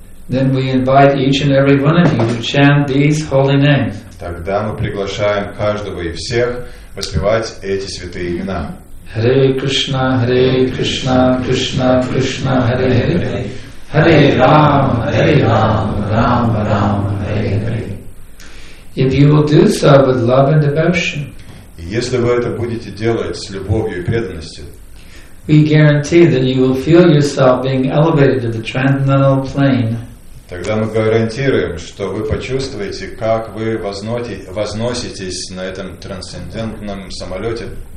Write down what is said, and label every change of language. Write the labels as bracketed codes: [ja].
[en] then we invite each and every one of you to chant these holy names. [ru] Тогда мы приглашаем каждого и всех воспевать эти святые имена. [sa] Hare Krishna, Krishna Krishna, Hare Hare. Hare Rama, Hare Rama, Rama Rama, Hare Hare. [en] If you will do so with love and devotion, [ru] если вы это будете делать с любовью и преданностью, [en] we guarantee that you will feel yourself being elevated to the transcendental plane. [ru] Тогда мы гарантируем, что вы почувствуете, как вы возноситесь на этом трансцендентном самолете.